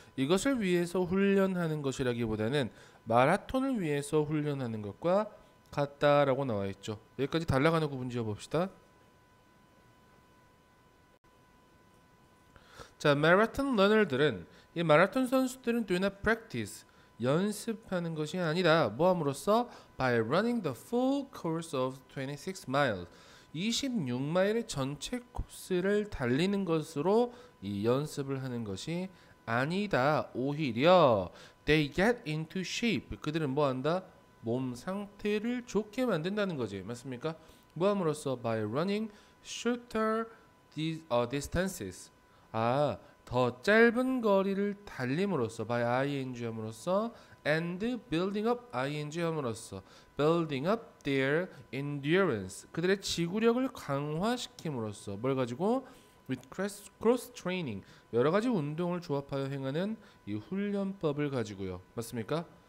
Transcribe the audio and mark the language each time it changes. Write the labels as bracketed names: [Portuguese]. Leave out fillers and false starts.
[Korean] 이것을 위해서 훈련하는 것이라기보다는 마라톤을 위해서 훈련하는 것과 같다라고 나와있죠. 여기까지 달라가는 구분 지어봅시다. 자, 마라톤 러너들은, 이 마라톤 선수들은 [English] do not practice. [Korean] 연습하는 것이 아니다. 뭐함으로써? [English] By running the full course of 26 miles. [Korean] 26마일의 전체 코스를 달리는 것으로 이 연습을 하는 것이 아니다. 오히려 [English] they get into shape. [Korean] 그들은 뭐한다? 몸 상태를 좋게 만든다는 거지. 맞습니까? 뭐함으로써? [English] By running shorter distances. [Korean] 아, 더 짧은 거리를 달림으로써, by ing 함으로써, and building up ing 함으로써, [English] building up their endurance, [Korean] 그들의 지구력을 강화시킴으로써, 뭘 가지고? [English] with cross training, [Korean] 여러 가지 운동을 조합하여 행하는 이 훈련법을 가지고요. 맞습니까?